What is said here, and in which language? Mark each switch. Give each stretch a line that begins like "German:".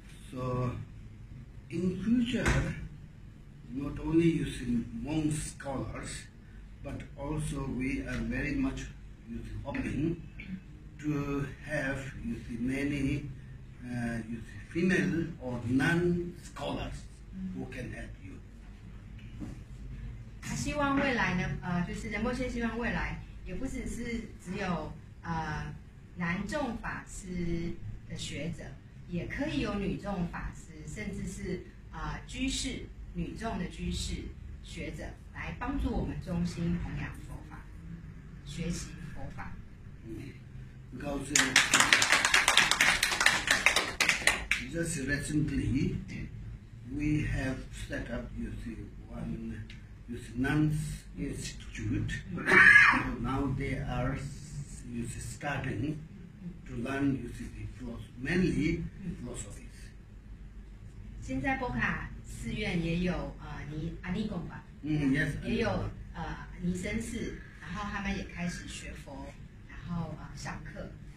English: So, in future, not only using monk scholars, but also we are very much hoping to have you see, many you see, female or non scholars who can help you.
Chinese: 他希望未来呢，就是仁波切希望未来也不只是只有男众法师的学者。也可以有女众法师，甚至是居士、女众的居士学者来帮助我们中心弘扬佛法，学习佛法。
English: Because just recently we have set up you see one you see nuns institute. So now they are you see starting. To learn, you see, the philosophy, mainly philosophies.
Chinese: 现在波卡寺院也有阿尼贡吧，
English: yes,
Chinese: 也有尼僧寺，然后他们也开始学佛，然后上课。